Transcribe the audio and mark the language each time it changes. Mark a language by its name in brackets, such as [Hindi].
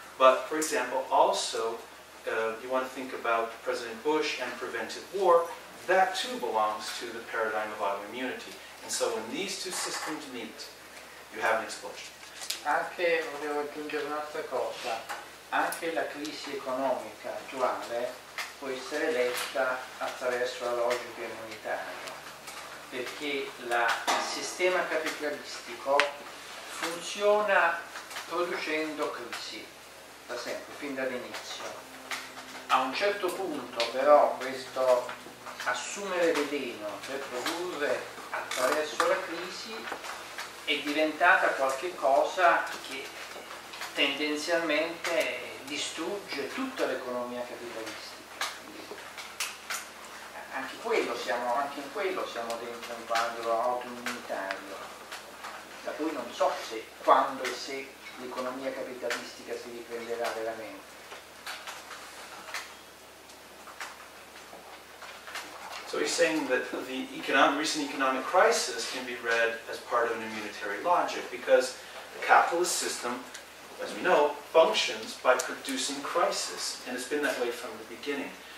[English] But, for example, also, you want to think about President Bush and preventive war. That, too, belongs to the paradigm of autoimmunity. And so when these two systems meet, you have an explosion. [Italian] Anche, volevo aggiungere un'altra cosa, anche la crisi economica attuale può essere letta attraverso la logica immunitaria, perché il sistema capitalistico funziona producendo crisi, da sempre, fin dall'inizio. A un certo punto però questo assumere veleno per produrre attraverso la crisi è diventata qualche cosa che tendenzialmente distrugge tutta l'economia capitalistica. Anche in quello siamo dentro un quadro autoimmunitario, da cui non so se, quando e se l'economia capitalistica si riprenderà veramente. [English] So he's saying that the recent economic crisis can be read as part of an immunitary logic because the capitalist system, as we know, functions by producing crisis, and it's been that way from the beginning.